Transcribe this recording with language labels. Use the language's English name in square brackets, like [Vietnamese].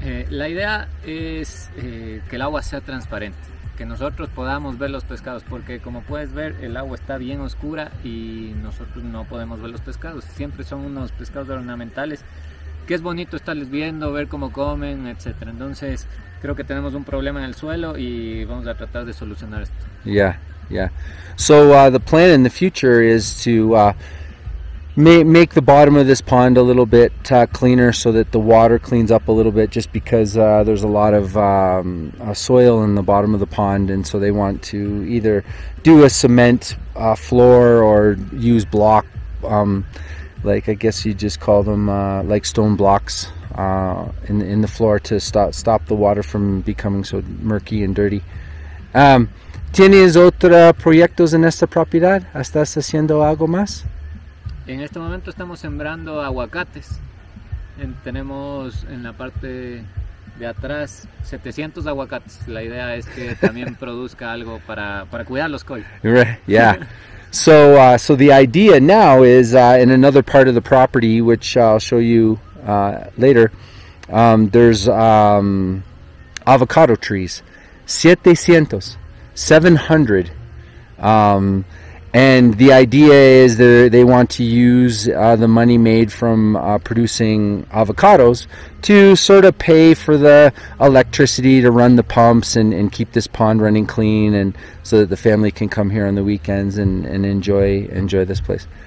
[Spanish] La idea es que el agua sea transparente, que nosotros podamos ver los pescados, porque como puedes ver, el agua está bien oscura y nosotros no podemos ver los pescados. Siempre son unos pescados ornamentales, que es bonito estarles viendo, ver cómo comen, etcétera. Entonces, creo que tenemos un problema en el suelo y vamos a tratar de solucionar esto. [English] Yeah. So the plan in the future is to make the bottom of this pond a little bit cleaner so that the water cleans up a little bit, just because there's a lot of soil in the bottom of the pond, and so they want to either do a cement floor or use block, like I guess you just call them like stone blocks in the floor to stop the water from becoming so murky and dirty. [Spanish] ¿Tienes otros proyectos en esta propiedad? ¿Estás haciendo algo más? En este momento estamos sembrando aguacates. Tenemos en la parte de atrás 700 aguacates. La idea es que también produzca algo para cuidarlos hoy. [English] Yeah. So the idea now is in another part of the property, which I'll show you later. There's avocado trees, 700. 700, and the idea is they want to use the money made from producing avocados to sort of pay for the electricity to run the pumps and keep this pond running clean, and so that the family can come here on the weekends and enjoy this place.